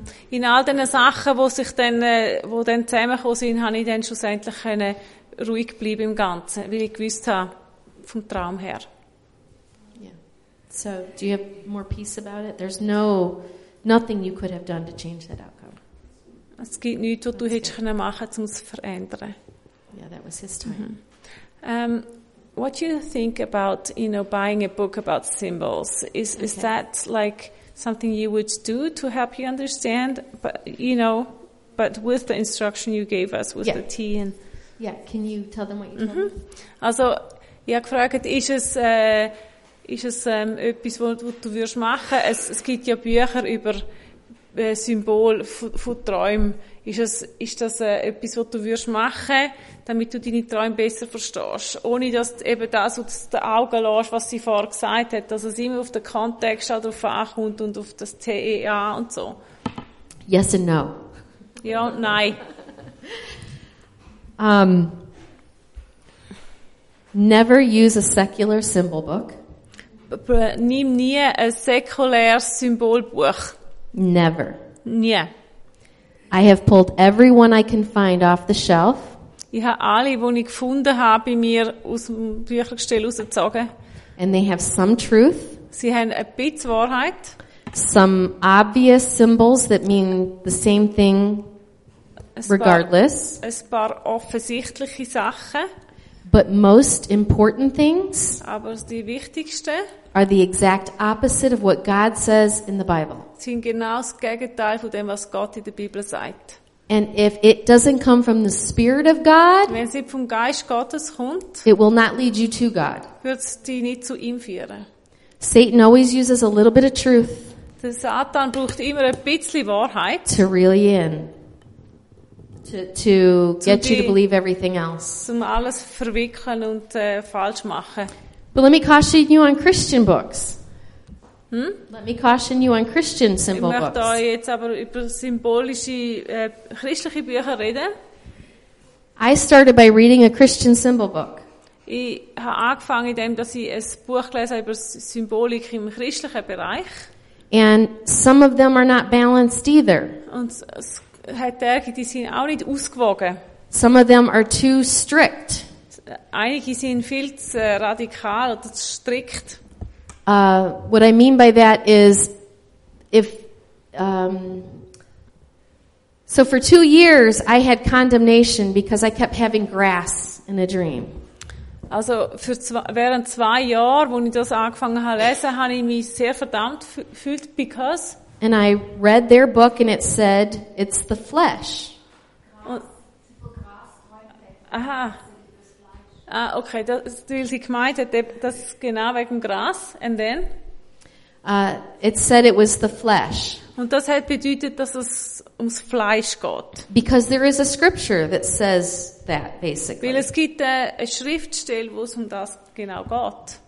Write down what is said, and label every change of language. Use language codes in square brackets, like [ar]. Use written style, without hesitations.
[de] In all den Sachen, wo sich dann, wo dann zusammengekommen sind, habe ich dann schlussendlich können ruhig bleiben im Ganzen, weil ich gewusst habe, vom Traum her. [en] Yeah. So, do you have more peace about it? There's no, nothing you could have done to change that outcome. [de] Es gibt nichts, was du hättest können machen, um es zu verändern. [en] Yeah, that was his time. Mm-hmm. What do you think about, you know, buying a book about symbols? Is that like something you would do to help you understand, but with the instruction you gave us with the tea and Can you tell them what you told me? [de] Also, ich habe gefragt, ist es etwas, was du würdest machen? Es gibt ja Bücher über Symbol von Träumen. Ist das etwas, was du würdest machen, damit du deine Träume besser verstehst? Ohne dass du eben das, was du den Augen lässt, was sie vorher gesagt hat, dass es immer auf den Kontext darauf ankommt und auf das TEA und so. [en] Yes and no. You don't know. Never use a secular symbol book. [de] Nimm nie a säkulär Symbolbuch. [en] Never. [de] Nie. [en] I have pulled everyone I can find off the shelf. [de] Ich habe alle, die ich gefunden habe, bei mir aus dem Büchergestell rausgezogen. [en] And they have some truth. [de] Sie haben ein bisschen Wahrheit. [en] Some obvious symbols that mean the same thing regardless. [de] Ein paar offensichtliche Sachen. [en] But most important things [de] aber die wichtigsten [en] are the exact opposite of what God says in the Bible. [de] Sind genau das Gegenteil von dem, was Gott in der Bibel sagt. [en] And if it doesn't come from the Spirit of God, [de] wenn es nicht vom Geist Gottes kommt, [en] it will not lead you to God. [de] Wird's dich nicht zu ihm führen. [en] Satan always uses a little bit of truth. [de] Der Satan braucht immer ein bisschen Wahrheit. [en] To reel you in. To get you to believe everything else. [de] Um alles verwickeln und falsch machen. [en] But let me caution you on Christian books. Hm? Let me caution you on Christian symbol books. [de] Ich möchte euch jetzt aber über symbolische christliche Bücher reden. [en] I started by reading a Christian symbol book. [de] Ich habe angefangen, indem dass ich ein Buch lese über Symbolik im christlichen Bereich. [en] And some of them are not balanced either. [de] Und es hat einige, die sind auch nicht ausgewogen. [en] Some of them are too strict. [de] Einige sind viel zu radikal oder zu strikt. [en] What I mean by that is, so for 2 years I had condemnation because I kept having grass in a dream. [de] Also während 2 Jahren, wo ich das angefangen habe lesen, habe ich mich sehr verdammt gefühlt, [en] because. And I read their book and it said it's the flesh. Aha. Ah, okay. [de] Das, weil sie gemeint hat, das genau wegen dem Gras. [en] And then? It said it was the flesh. [de] Und das hat bedeutet, dass es ums Fleisch geht. [en] Because there is a scripture that says that, basically. [de] Weil es gibt eine Schriftstelle, wo es um das genau geht.